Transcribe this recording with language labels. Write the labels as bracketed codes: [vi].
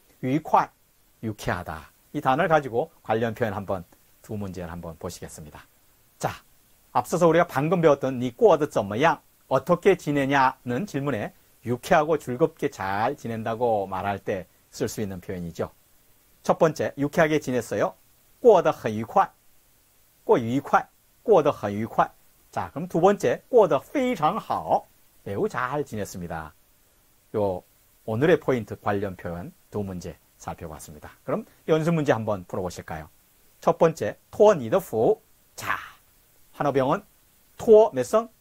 [zh] 愉快, [ko] 유쾌하다. 이 단어를 가지고 관련 표현 한번, 두 문제를 한번 보시겠습니다. 자, 앞서서 우리가 방금 배웠던 [zh] 你过得怎么样? [ko] 어떻게 지내냐는 질문에 유쾌하고 즐겁게 잘 지낸다고 말할 때쓸수 있는 표현이죠. 첫 번째, 유쾌하게 지냈어요. [zh] 过得很愉快, 过 愉快, 过得很愉快. [ko] 자, 그럼 두 번째, [zh] 过得非常好, [ko] 매우 잘 지냈습니다. 요 오늘의 포인트 관련 표현 두 문제 살펴봤습니다. 그럼 연습 문제 한번 풀어보실까요? 첫 번째, [zh] 托你的福. [ko] 자, 한어병은 토 몇성?